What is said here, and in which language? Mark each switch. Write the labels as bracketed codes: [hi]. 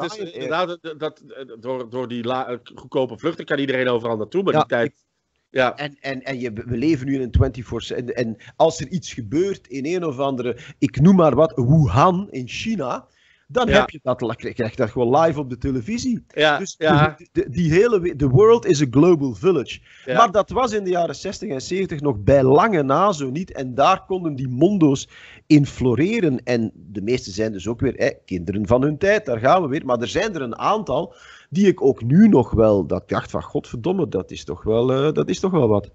[nl] Dus inderdaad, door die goedkope vluchten kan iedereen overal naartoe, maar ja, die tijd... Ja. We leven nu in een 24/7. En als er iets gebeurt in een of andere, ik noem maar wat, Wuhan in China, dan heb je dat, krijg je dat gewoon live op de televisie. Ja, dus ja. [en] The world is a global village. [nl] Ja. Maar dat was in de jaren 60 en 70 nog bij lange na zo niet. En daar konden die mondo's in floreren. En de meeste zijn dus ook weer kinderen van hun tijd, daar gaan we weer. Maar er zijn er een aantal... Die ik ook nu nog wel, dat dacht van godverdomme, dat is toch wel wat.